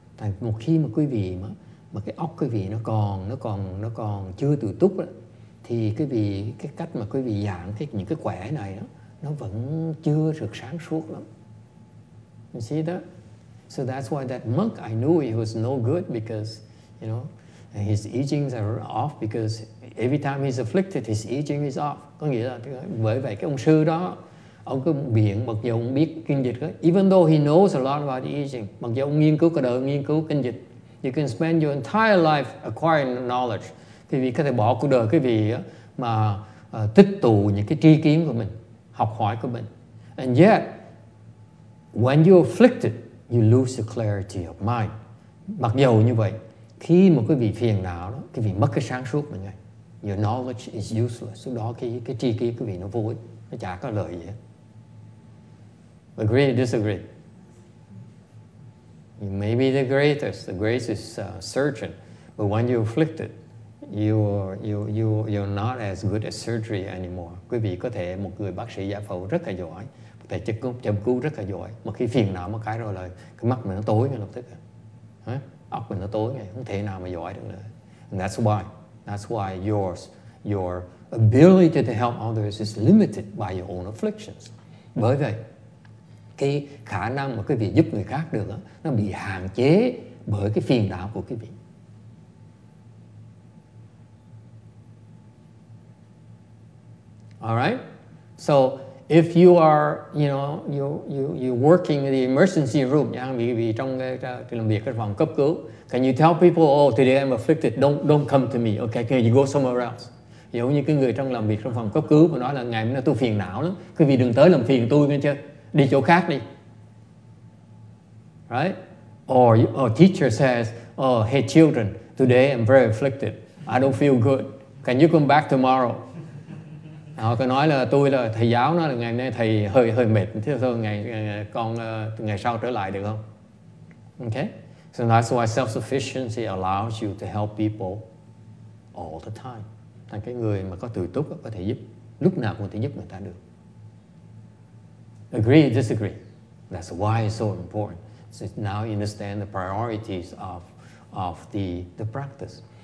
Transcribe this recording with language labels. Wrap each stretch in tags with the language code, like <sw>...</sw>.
<vi>Tại một khi mà quý vị mà cái óc quý vị nó còn chưa tự túc đó, thì quý vị cái cách mà quý vị giảng cái những cái quẻ này đó, nó vẫn chưa được sáng suốt lắm.</vi> <en>You see that? So that's why that monk I knew he was no good because you know his I Ching are off because every time he's afflicted his I Ching is off.</en> <vi>Có nghĩa là bởi vậy cái ông sư đó ông cứ biện mặc dù ông biết kinh dịch đó,</vi> <en>even though he knows a lot about I Ching,</en> <vi>mặc dù ông nghiên cứu cả đời nghiên cứu kinh dịch.</vi> <en>You can spend your entire life acquiring knowledge.</en> <vi>Quý vị có thể bỏ cuộc đời quý vị mà tích tụ những cái tri kiến của mình, học hỏi của mình.</vi> <en>And yet, when you're afflicted, you lose your clarity of mind.</en> <vi>Mặc dù như vậy, khi mà quý vị phiền não, quý vị mất cái sáng suốt mình ngay.</vi> <en>Your knowledge is useless.</en> <vi>Lúc đó cái tri kiến quý vị nó vô ích, nó chả có lợi gì hết.</vi> <en>Agree or disagree? You may be the greatest, the greatest surgeon, but when you're afflicted, you're not as good as surgery anymore.</en> <vi>Quý vị có thể một người bác sĩ giải phẫu rất là giỏi, một thầy châm cứu rất là giỏi, mà khi phiền não một cái rồi là cái mắt mình nó tối ngay lập tức, óc mình nó tối ngay, không thể nào mà giỏi được nữa.</vi> <en>And that's why your ability to help others is limited by your own afflictions.</en> <vi>Bởi vậy, cái khả năng mà quý vị giúp người khác được đó, nó bị hạn chế bởi cái phiền não của quý vị.</vi> <en>All right? So if you are, you know, you working in the emergency room, can you tell people, oh, today I'm afflicted, don't come to me, okay? Can you go somewhere else?</en> <vi>Giống như cái người trong làm việc trong phòng cấp cứu mà nói là ngày hôm nay tôi phiền não lắm, quý vị đừng tới làm phiền tôi nữa chứ, đi chỗ khác đi.</vi> <en>Right? Or teacher says, oh, hey children, today I'm very afflicted, I don't feel good, can you come back tomorrow?</en> <vi>Họ có nói là tôi là thầy giáo, nói là ngày hôm nay thầy hơi mệt, thế thôi ngày sau trở lại được không?</vi> <en>Okay? So that's why self-sufficiency allows you to help people all the time.</en> <vi>Thành cái người mà có tự túc có thể giúp, lúc nào cũng có thể giúp người ta được.</vi> <en>Agree or disagree? That's why it's so important. So now you understand the priorities of the practice.</en>